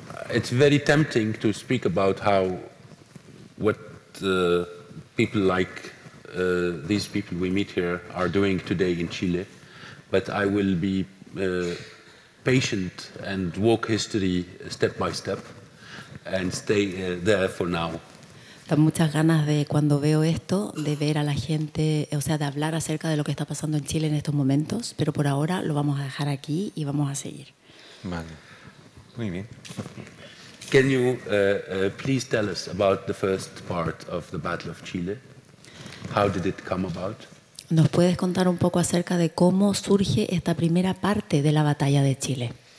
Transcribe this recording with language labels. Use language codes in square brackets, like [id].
[en] It's very tempting to speak about how what people like these people we meet here are doing today in Chile, but I will be patient and walk history step by step and stay there for now. [es] Tengo muchas ganas de cuando veo esto de ver a la gente, o sea, de hablar acerca de lo que está pasando en Chile en estos momentos, pero por ahora lo vamos a dejar aquí y vamos a seguir. Vale. Muy bien. [en] Can you please tell us about the first part of the Battle of Chile? How did it come about? [es] ¿Nos puedes contar un poco acerca de cómo surge esta primera parte de la Batalla de Chile?